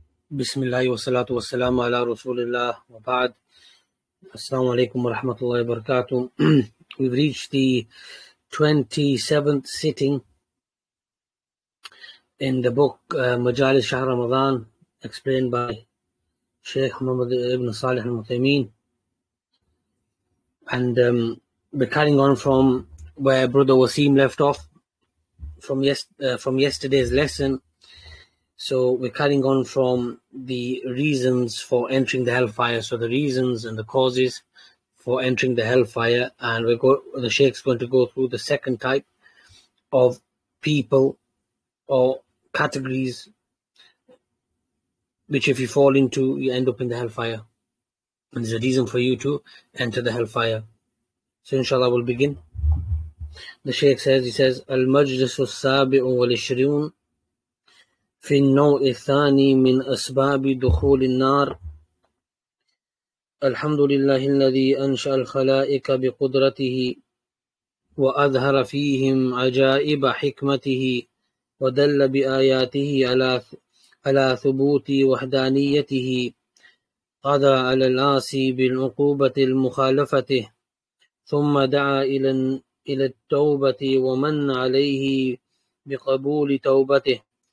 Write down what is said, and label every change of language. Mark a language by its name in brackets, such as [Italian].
[Arabic] بسم الله والصلاة والسلام على رسول الله وبعد السلام عليكم ورحمة الله وبركاته. [English] We've reached the 27th sitting in the book Majalis Shahr Ramadhan explained by Shaykh Mohammed ibn Saleh Al-Uthaymeen, and we're carrying on from where Brother Waseem left off from yesterday's lesson. So we're carrying on from the reasons for entering the hellfire. So the reasons and the causes for entering the hellfire. And the Shaykh's going to go through the second type of people or categories, which if you fall into, you end up in the hellfire. And there's a reason for you to enter the hellfire. So inshallah, we'll begin. The Shaykh says, he says, Al-Majlisu Sabi'u Wal-Ishrun في النوع الثاني من أسباب دخول النار. [Arabic] الحمد لله الذي أنشأ الخلائق بقدرته وأظهر فيهم عجائب حكمته ودل بآياته على ثبوت وحدانيته، قضى على العاصي بالعقوبة لمخالفته، ثم دعا إلى التوبة ومن عليه بقبول توبته.